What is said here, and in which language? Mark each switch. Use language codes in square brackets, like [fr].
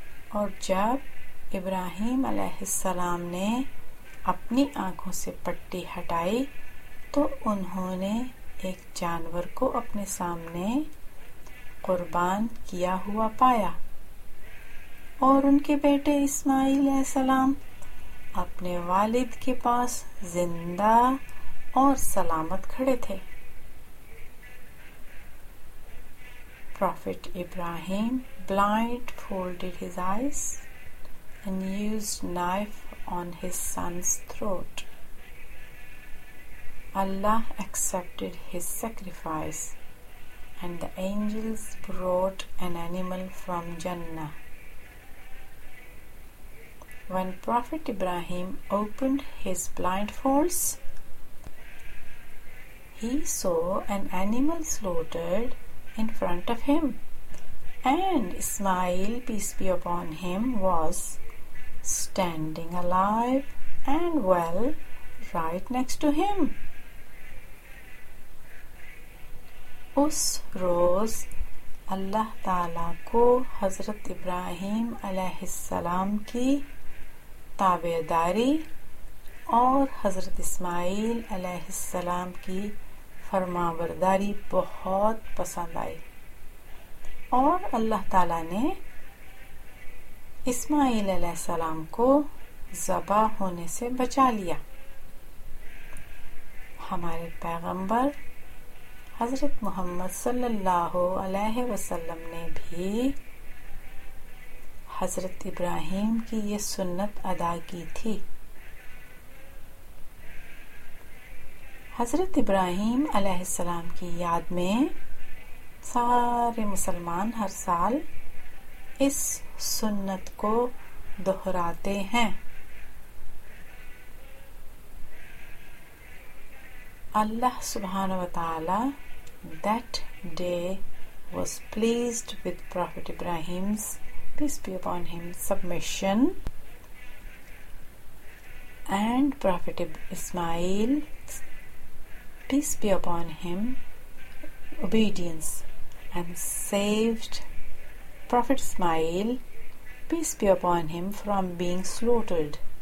[ur] اور جب ابراہیم علیہ السلام نے اپنی آنکھوں سے پٹی ہٹائی تو انہوں نے ایک جانور کو اپنے سامنے قربان کیا ہوا پایا, اور ان کے بیٹے اسماعیل علیہ السلام اپنے والد کے پاس زندہ اور سلامت کھڑے تھے. [en] Prophet Ibrahim blindfolded his eyes and used knife on his son's throat. Allah accepted his sacrifice and the angels brought an animal from Jannah. When Prophet Ibrahim opened his blindfolds, he saw an animal slaughtered in front of him, and Ismail, peace be upon him, was standing alive and well right next to him. [ur] اس روز اللہ تعالیٰ کو حضرت ابراہیم علیہ السلام کی تابعداری اور حضرت اسماعیل علیہ السلام کی فرما برداری بہت پسند آئی, اور اللہ تعالیٰ نے اسماعیل علیہ السلام کو ذبح ہونے سے بچا لیا. ہمارے پیغمبر حضرت محمد صلی اللہ علیہ وسلم نے بھی حضرت ابراہیم کی یہ سنت ادا کی تھی. حضرت ابراہیم علیہ السلام کی یاد میں سارے مسلمان ہر سال اس سنت کو دہراتے ہیں. [en] اللہ سبحانہ و تعالی that day was pleased with Prophet Ibrahim's, peace be upon him, submission, and Prophet Ismail, peace be upon him, obedience, and saved Prophet Ismail, peace be upon him, from being slaughtered.